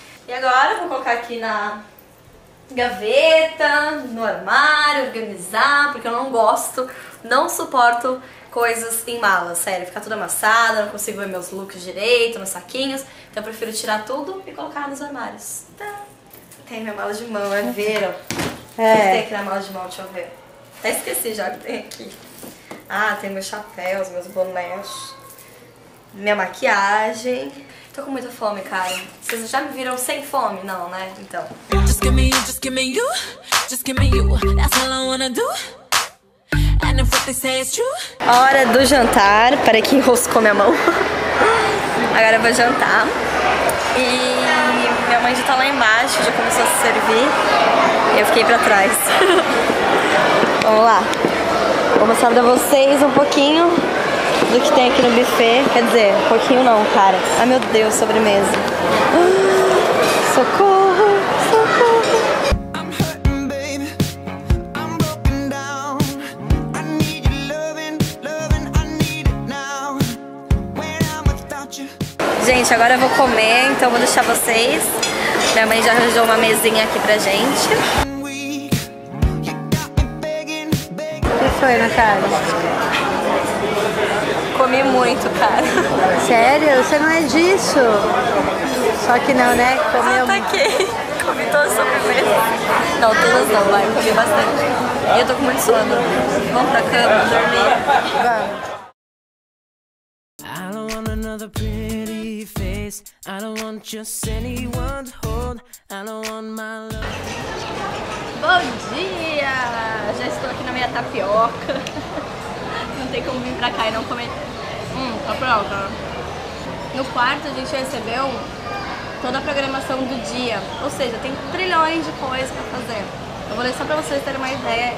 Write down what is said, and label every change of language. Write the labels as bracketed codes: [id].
[pt] E agora eu vou colocar aqui na gaveta, no armário, organizar, porque eu não gosto, não suporto coisas em malas, sério, fica tudo amassado, não consigo ver meus looks direito, meus saquinhos, então eu prefiro tirar tudo e colocar nos armários. Tá. Tem minha mala de mão, é ver, ó. É. O que tem aqui na mala de mão, deixa eu ver. Até esqueci já o que tem aqui. Ah, tem meus chapéus, meus bonés, minha maquiagem. Tô com muita fome, cara. Vocês já me viram sem fome? Não, né? Então. [en] Just give me you, just give me you. That's all I wanna do. And if what they say is true. [pt] Hora do jantar. Peraí que enroscou minha mão. Agora eu vou jantar. E minha mãe já tá lá embaixo, já começou a se servir. E eu fiquei pra trás. Vamos lá. Vou mostrar pra vocês um pouquinho do que tem aqui no buffet. Quer dizer, um pouquinho não, cara. Ai, meu Deus, sobremesa. Socorro. Gente, agora eu vou comer, então eu vou deixar vocês. Minha mãe já arranjou uma mesinha aqui pra gente. O que foi, Natália? Comi muito, cara. Sério? Você não é disso? Só que não, né? Comi. Ah, tá aqui. Comi todas as sobremesas. Não, todas não, vai. Comi bastante. E eu tô com muito sono. Vamos pra cama, dormir. [en] Vamos. I don't want another pretty face. waste. I don't want just anyone to hold. I don't want my love. [pt] Bom dia! Já estou aqui na minha tapioca. Não tem como vir pra cá e não comer. Tá pronta. No quarto a gente recebeu toda a programação do dia. Ou seja, tem trilhões de coisas pra fazer. Eu vou ler só pra vocês terem uma ideia.